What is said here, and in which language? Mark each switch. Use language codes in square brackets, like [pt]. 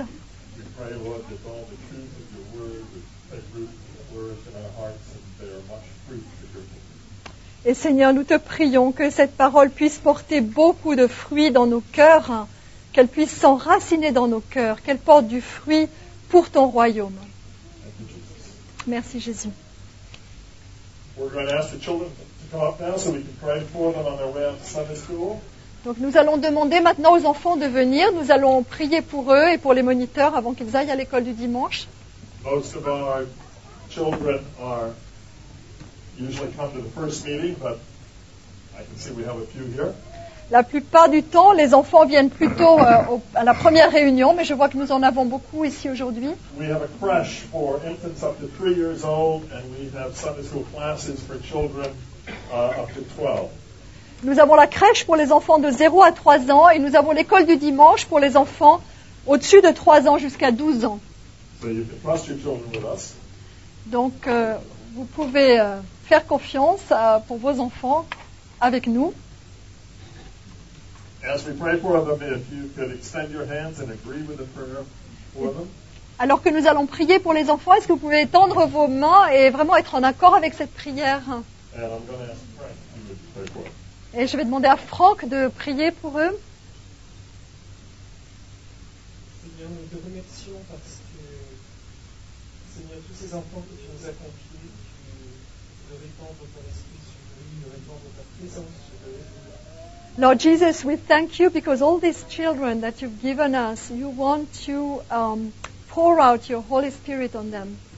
[en] We pray, Lord, that all the truth of your word has root in your words in our hearts and bear much fruit to your people. [fr] Et Seigneur, nous te prions que cette parole puisse porter beaucoup de fruits dans nos cœurs, qu'elle puisse s'enraciner dans nos cœurs, qu'elle porte du fruit pour ton royaume. Merci Jésus. [en] We're going to ask the children to come up now so we can pray for them on their way out to Sunday school. [fr] Donc nous allons demander maintenant aux enfants de venir. Nous allons prier pour eux et pour les moniteurs avant qu'ils aillent à l'école du dimanche. [en] Most of our children are usually come to the first meeting, but I can see we have a few here. [fr] La plupart du temps, les enfants viennent plutôt à la première réunion, mais je vois que nous en avons beaucoup ici aujourd'hui. [en] We have a crèche for infants up to 3 years old, and we have Sunday school classes for children up to 12. [fr] Nous avons la crèche pour les enfants de 0 à 3 ans et nous avons l'école du dimanche pour les enfants au-dessus de 3 ans jusqu'à 12 ans. [en] So you can trust your children with us. [fr] Donc, vous pouvez faire confiance pour vos enfants avec nous. [en] As we pray for them, if you could extend your hands and agree with the prayer for them. [fr] Alors que nous allons prier pour les enfants, est-ce que vous pouvez étendre vos mains et vraiment être en accord avec cette prière? [en] And I'm going to ask Frank to pray for them. [fr] Et je vais demander à Franck de prier pour eux. Seigneur, nous te remercions parce que, Seigneur, tous ces enfants que tu nous as confiés, tu veux répandre ton esprit sur eux, de répandre ta présence sur eux. [en] Lord Jesus, we thank you because all these children that you've given us, you want to pour out your Holy Spirit on them.